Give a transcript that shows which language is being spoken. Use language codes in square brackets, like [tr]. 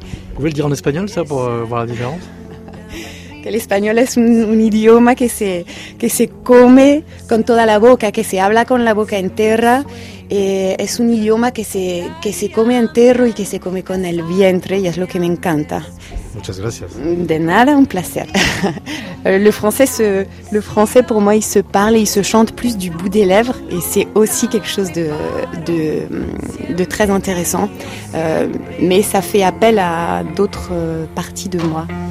[fr] Vous pouvez le dire en espagnol ça pour voir la différence? [es] El español es un idioma que se come con toda la boca, que se habla con la boca entera. Es un idioma que se come entero y que se come con el vientre, y es lo que me encanta. Muchas gracias. De nada, un placer. [fr] Le français pour moi, il se parle et il se chante plus du bout des lèvres, et c'est aussi quelque chose de très intéressant. Mais ça fait appel à d'autres parties de moi.